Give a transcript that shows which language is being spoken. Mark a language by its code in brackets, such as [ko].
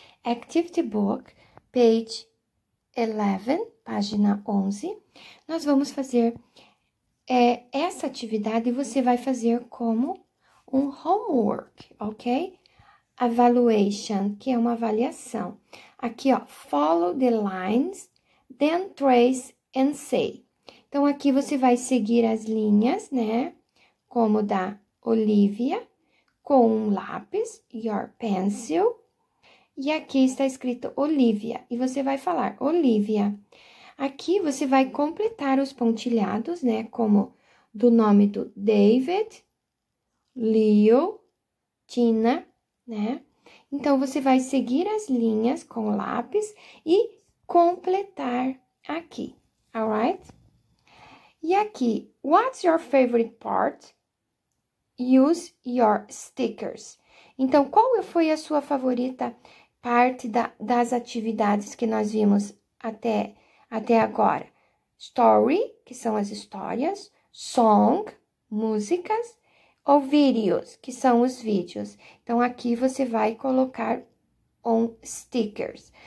[en] Activity book, page 11, [pt] página 11. Nós vamos fazer essa atividade e você vai fazer como um homework, ok? Evaluation, que é uma avaliação. Aqui, ó, [en] follow the lines, then trace and say. [pt] Então, aqui você vai seguir as linhas, né? Como da Olivia, com um lápis, [en] your pencil. [pt] E aqui está escrito Olivia. E você vai falar, Olivia. Aqui você vai completar os pontilhados, né? Como do nome do David, Leo, Tina, né? Então, você vai seguir as linhas com o lápis e completar aqui, alright? E aqui, [en] what's your favorite part? Use your stickers. [pt] Então, qual foi a sua favorita parte das atividades que nós vimos até agora? Story, que são as histórias, song, músicas. Ou vídeos, que são os vídeos. Então, aqui você vai colocar on stickers.